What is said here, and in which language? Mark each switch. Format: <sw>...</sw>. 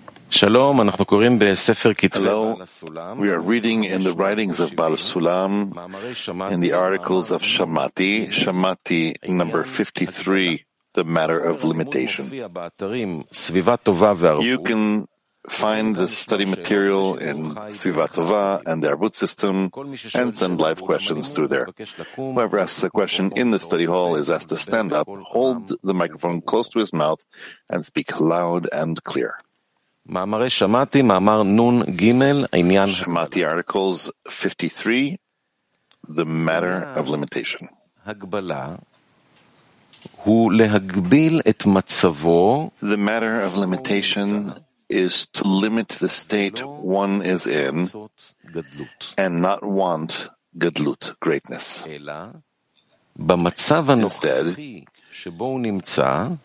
<he>Shalom, אנחנו קוראים בספר כתבי בעל הסולם.</he> <en>We are reading in the writings of Baal HaSulam, in the articles of Shamati, Shamati number 53, the matter of limitation. You can find the study material in Sviva Tova and the Arbut system and send live questions through there. Whoever asks a question in the study hall is asked to stand up, hold the microphone close to his mouth, and speak loud and clear.</en> <he>מאמרי שמעתי, מאמר נון גימל, עניין...</he> <en>שמעתי, articles 53, the matter of limitation.</en> <he>הגבלה הוא להגביל את מצבו...</he> <en>The matter of limitation is to limit the state one is in and not want גדלות, greatness.</en> <he>אלא, במצב הנוכחי שבו הוא נמצא...</he>